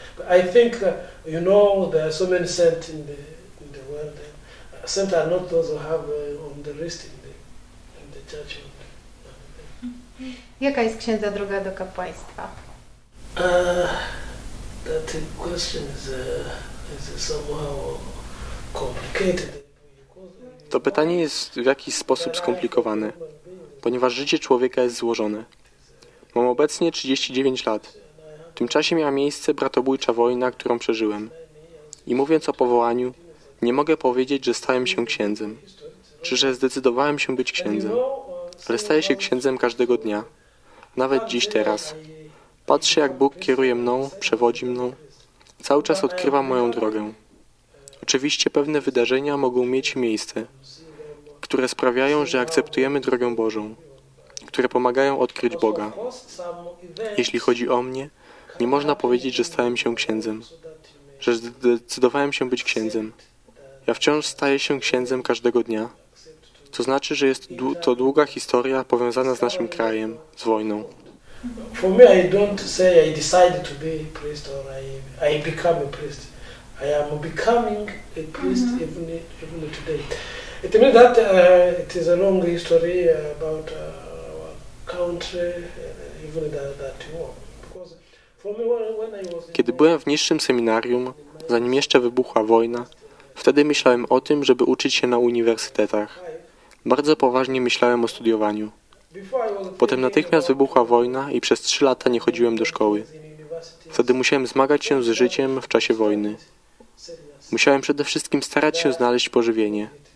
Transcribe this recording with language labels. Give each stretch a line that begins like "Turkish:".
English: I think you know there are so many saints in the world. Saints are not those who have on the wrist in the church.
Polish: Jaka jest, księdza, droga do kapłaństwa?
English: That question is somehow complicated.
Polish: To pytanie jest w jakiś sposób skomplikowane, ponieważ życie człowieka jest złożone. Mam obecnie 39 lat. W tym czasie miała miejsce bratobójcza wojna, którą przeżyłem. I mówiąc o powołaniu, nie mogę powiedzieć, że stałem się księdzem, czy że zdecydowałem się być księdzem, ale staję się księdzem każdego dnia, nawet dziś teraz. Patrzę, jak Bóg kieruje mną, przewodzi mną. Cały czas odkrywam moją drogę. Oczywiście pewne wydarzenia mogą mieć miejsce, które sprawiają, że akceptujemy drogę Bożą, które pomagają odkryć Boga. Jeśli chodzi o mnie, nie można powiedzieć, że stałem się księdzem, że zdecydowałem się być księdzem. Ja wciąż staję się księdzem każdego dnia. To znaczy, że jest to długa historia powiązana z naszym krajem, z wojną.
English: For me, I don't say I decided to be a priest or I become a priest. I am becoming a priest mm-hmm. even today. It means that it is a long history about our country, even that war. Because for me, when I was
Polish: kiedy byłem w niższym seminarium, zanim jeszcze wybuchła wojna, wtedy myślałem o tym, żeby uczyć się na uniwersytetach. Bardzo poważnie myślałem o studiowaniu. Potem natychmiast wybuchła wojna i przez 3 lata nie chodziłem do szkoły. Wtedy musiałem zmagać się z życiem w czasie wojny. Musiałem przede wszystkim starać się znaleźć pożywienie.